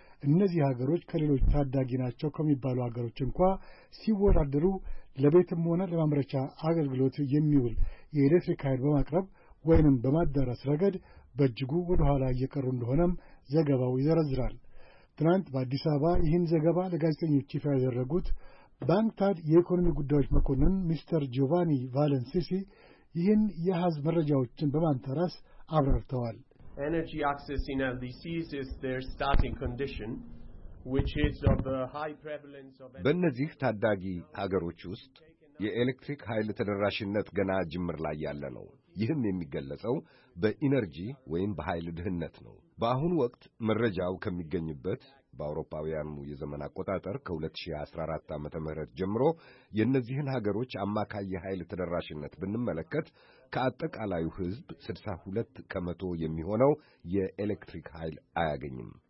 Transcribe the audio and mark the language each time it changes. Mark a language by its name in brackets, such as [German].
[Amharic] እነዚህ ሀገሮች ከሌሎች ታዳጊ ናቸው ከሚባሉ ሀገሮች እንኳን ሲወራደሩ ለቤትም ሆነ ለማምረቻ አገልግሎት የሚውል የኤሌክትሪክ ኃይል በማቅረብ ወይንም በማዳረስ ረገድ በእጅጉ ወደ ኋላ እየቀሩ እንደሆነም ዘገባው ይዘረዝራል። ትናንት በአዲስ አበባ ይህን ዘገባ ለጋዜጠኞች ይፋ ያደረጉት ባንክታድ የኢኮኖሚ ጉዳዮች መኮንን ሚስተር ጆቫኒ ቫለንሲሲ ይህን የሀዝ መረጃዎችን በማንተራስ አብራርተዋል። [English] Energy access in LDCs is their starting condition, which is of a high prevalence of... [Amharic] በእነዚህ ታዳጊ ሀገሮች ውስጥ የኤሌክትሪክ ኃይል ተደራሽነት ገና ጅምር ላይ ያለ ነው። ይህም የሚገለጸው በኢነርጂ ወይም በኃይል ድህነት ነው። በአሁን ወቅት መረጃው ከሚገኝበት በአውሮፓውያኑ የዘመን አቆጣጠር ከ2014 ዓመተ ምህረት ጀምሮ የነዚህን ሀገሮች አማካይ የኃይል ተደራሽነት ብንመለከት ከአጠቃላዩ ሕዝብ 62 ከመቶ የሚሆነው የኤሌክትሪክ ኃይል አያገኝም።